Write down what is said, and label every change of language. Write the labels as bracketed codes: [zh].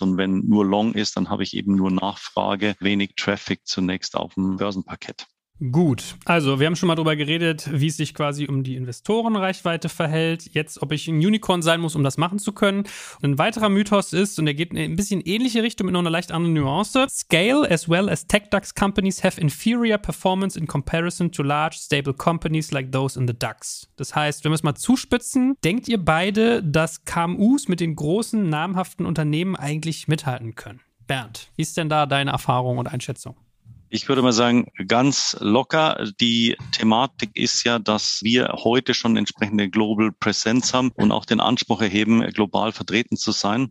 [de] Und wenn nur Long ist, dann habe ich eben nur Nachfrage, wenig Traffic zunächst auf dem Börsenparkett. Gut, also wir haben schon mal darüber geredet, wie es sich quasi um die Investorenreichweite verhält. Jetzt, ob ich ein Unicorn sein muss, um das machen zu können. Und ein weiterer Mythos ist, und der geht in ein bisschen ähnliche Richtung mit nur einer leicht anderen Nuance. [en] Scale as well as TechDAX companies have inferior performance in comparison to large stable companies like those in the DAX. [de] Das heißt, wenn wir es mal zuspitzen, denkt ihr beide, dass KMUs mit den großen namhaften Unternehmen eigentlich mithalten können? Bernd, wie ist denn da deine Erfahrung und Einschätzung? Ich würde mal sagen, ganz locker. Die Thematik ist ja, dass wir heute schon entsprechende Global Presence haben und auch den Anspruch erheben, global vertreten zu sein.